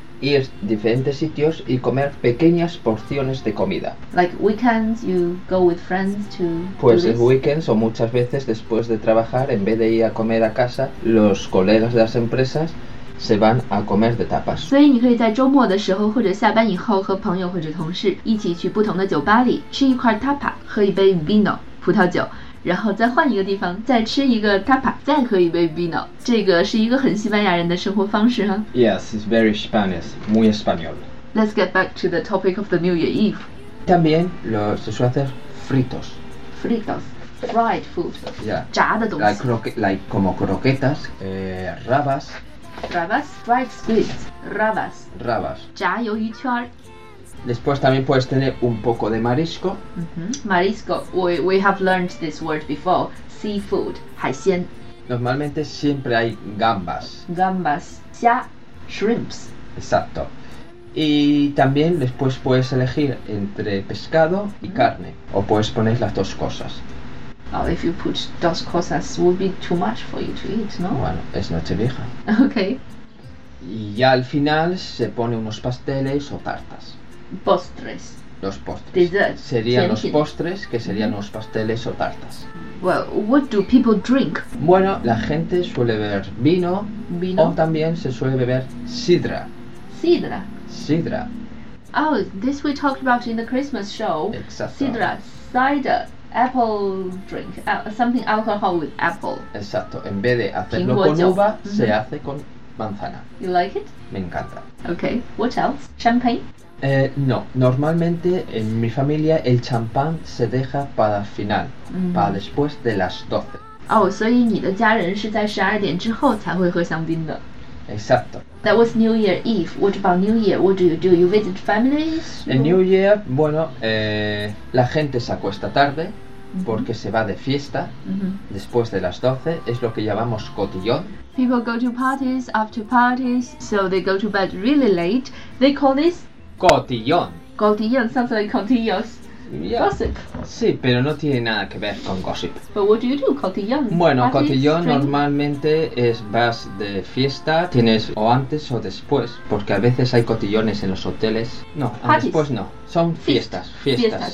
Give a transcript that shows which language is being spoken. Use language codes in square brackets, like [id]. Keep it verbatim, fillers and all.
[es] Ir a diferentes sitios y comer pequeñas porciones de comida. [en] Like weekends, you go with friends to. [es] Pues [en] do [es] en weekends o muchas veces después de trabajar, en vez de ir a comer a casa, los colegas de las empresas se van a comer de tapas. [zh] 所以你可以在周末的时候或者下班以后和朋友或者同事一起去不同的酒吧里吃一块 tapa， 喝一杯 vino 葡萄酒。然后再换一个地方再吃一个 tapa 再喝一杯 vino 这个是一个很西班牙人的生活方式哈。 [en] Yes, it's very Spanish, [es] muy español. [en] Let's get back to the topic of the New Year Eve. [es] También lo, se suele hacer fritos. [en] Fritos, fried food. Yeah. [zh] 炸的东西。 [en] Like, croque, like [es] como croquetas, eh, rabas. [en] Rabas, fried squid. Rabas. [es] Rabas. [zh] 炸鱿鱼圈。 [es] Después también puedes tener un poco de marisco. Mm-hmm. [en] Marisco, we, we have learned this word before. [zh] Seafood, 海鲜。 [es] Normalmente siempre hay gambas. [zh] Gambas, 虾 shrimps. [es] Exacto. Y también después puedes elegir entre pescado y mm-hmm. carne. O puedes poner las dos cosas. [en] Oh, if you put [es] dos cosas, [en] would be too much for you to eat, no? [es] Bueno, es Nochevieja. [en] Okay. [es] Y ya al final se pone unos pasteles o tartas. Postres. Los postres. [en] Dessert. [es] Serían los postres que serían los pasteles o tartas. [en] Well, what do people drink? [es] Bueno, la gente suele beber vino, vino. O también se suele beber sidra. Sidra. Sidra. [en] Oh, this we talked about in the Christmas show. [es] Exacto. [en] Sidra, cider, apple drink, uh, something alcohol with apple. [es] Exacto. En vez de hacerlo con uva, mm-hmm. se hace con manzana. [en] You like it? [es] Me encanta. [en] Okay. What else? Champagne? [es] Eh, no, normalmente en mi familia el champán se deja para final, mm. para después de las doce. [zh] 哦，所以你的家人是在十二点之后才会喝香槟的。 [es] Exacto. [en] That was New Year Eve. What about New Year? What do you do? You visit families? [es] En New Year, bueno, eh, la gente se acuesta tarde porque se va de fiesta después de las doce, es lo que llamamos cotillón. [en] People go to parties after parties, so they go to bed really late. They call this [es] cotillón. [en] Cotillón sounds like continuous Yeah. gossip. [es] Sí, pero no tiene nada que ver con gossip. [en] But what do you do, cotillón? [es] Bueno, [en] Parties, [es] cotillón [en] drink? [es] normalmente es vas de fiesta, tienes o antes o después, porque a veces hay cotillones en los hoteles. No, a [en] Parties. [es] después no, son fiestas, fiestas,